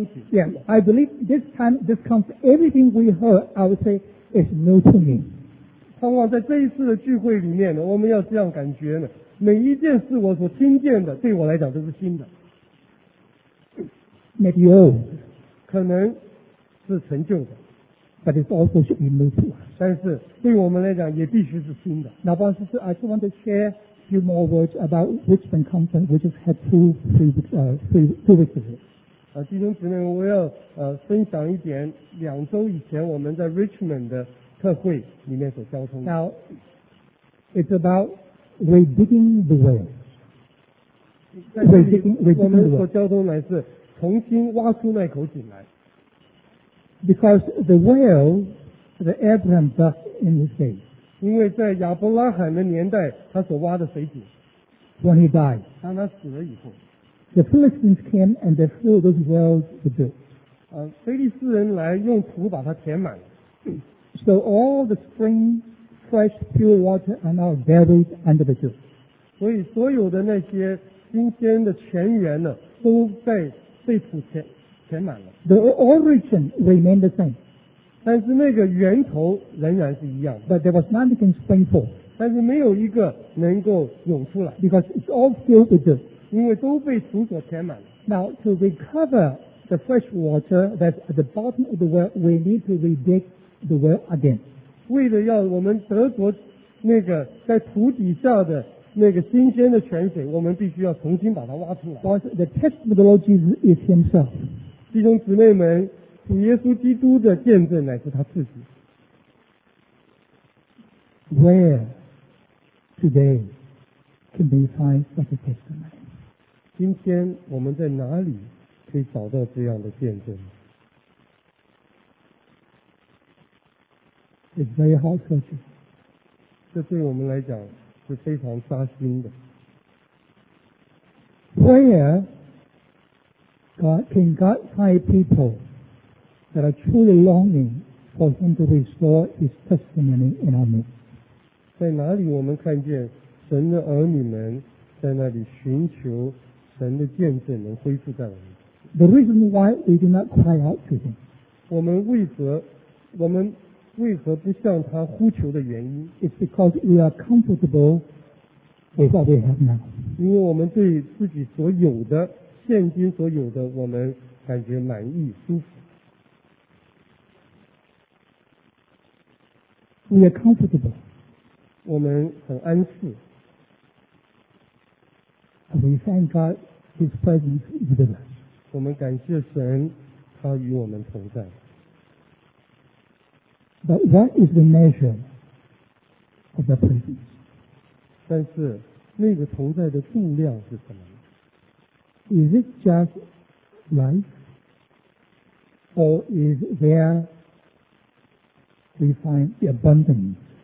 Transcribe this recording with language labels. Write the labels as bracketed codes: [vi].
[en] Yes, I believe this time, this comes, everything we heard, I would say, is new to me. [zh] 盼望在这一次的聚会里面呢，我们要这样感觉呢，每一件事我所听见的，对我来讲都是新的。 [en] Maybe old. [zh] 可能是陈旧的。 [en] But it also should be new to us. [zh] 但是对我们来讲也必须是新的。 [en] Now, but I just want to share. Few more words about Richmond Conference, which has had two weeks. [zh] 弟兄姊妹，我要分享一点两周以前我们在 Richmond 的特会里面所交通的。 [en] Now, It's about redigging the well. Because the well that Abraham dug in his day, when he died, [zh] 当他死了以后, [en] the Philistines came and they filled those wells to build. [zh] 非利士人来用土把它填满了。 [en] So all the spring, fresh, pure water are now buried under the dirt. [zh] 所以所有的那些新鲜的泉源呢，都在被土填满了。 [en] The origin remained the same. [zh] 但是那个源头仍然是一样的。 [en] But there was nothing spring for. [zh] 但是没有一个能够涌出来 [en] ，because it's all filled with dirt， [zh] 因为都被土所填满了。 [en] Now to recover the fresh water that's at the bottom of the well, we need to redig the well again。 [zh] 为了要我们得着那个在土底下的那个新鲜的泉水，我们必须要重新把它挖出来。 [en] Because the testimony of the Lord Jesus is Himself。 [zh] 弟兄姊妹们，主耶稣基督的见证乃是他自己。 [en] Where today can we find such a testimony? [zh] 今天我们在哪里可以找到这样的见证？ [en] It's very hard searching. [zh] 这对我们来讲是非常扎心的。 [en] Where can God find people that are truly longing for Him to restore His testimony in our midst? [zh] 在哪里我们看见神的儿女们在那里寻求神的见证能恢复在我们 [en] The reason why we do not cry out to him. [zh] 我们为何不向他呼求的原因 [en] is because we are comfortable with what we have now. [zh] 因为我们对自己所有的现今所有的我们感觉满意舒服。 [en] We are comfortable. [zh] 我们很安适。 [en] We thank God His presence is with us. [zh] 我们感谢神，他与我们同在。 [en] But what is the measure of the presence? [zh] 但是那个同在的重量是什么 [en] ？Is it just life, or is there we find the abundance?